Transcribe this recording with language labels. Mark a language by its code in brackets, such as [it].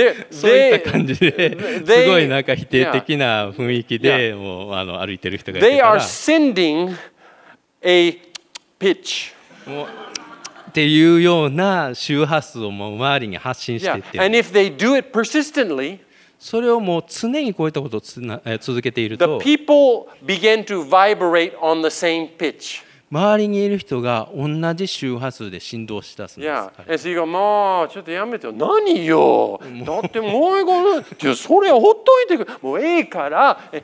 [ja] そういった感じですごいなんか否定的な雰囲気でもう歩いてる人がい [en] て、 They are sending a pitch. [ja] っていうような周波数をもう周りに発信していって、 [en] And if they do it persistently, [ja] それをもう常にこういったことを続けていると、 [en] The people begin to vibrate on the same pitch. [ja] 周りにいる人が同じ周波数で振動したそうです。 [en] Yeah. And so you go, [ja] もうちょっとやめてよ。何よ。だってもうこの、じゃそれほっといてくれ。もうええから。